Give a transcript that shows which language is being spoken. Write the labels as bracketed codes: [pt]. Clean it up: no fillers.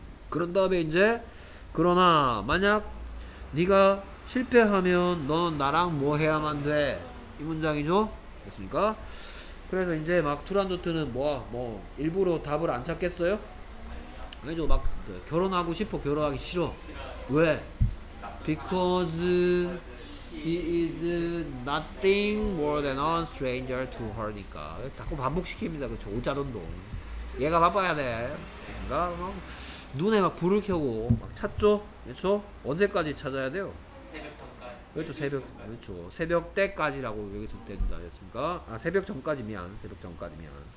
[ko] 그런 다음에 이제 그러나 만약 네가 실패하면 너는 나랑 뭐 해야만 돼? 이 문장이죠? 됐습니까? 그래서 이제 막 투란도트는 뭐 일부러 답을 안 찾겠어요? 아니죠. 막 결혼하고 싶어. 결혼하기 싫어. 왜? [en] Because he is nothing more than a stranger to her. [ko] 니까 자꾸 반복시킵니다. 그렇죠. 오자론동. 얘가 바빠야 돼. 됐습니까? 눈에 막 불을 켜고 막 찾죠? 그렇죠? 언제까지 찾아야 돼요? 그렇죠. 새벽 전까지. 그렇죠. 새벽 때까지라고 여기서 된다 했습니까? 아, 새벽 전까지면. 새벽 전까지면.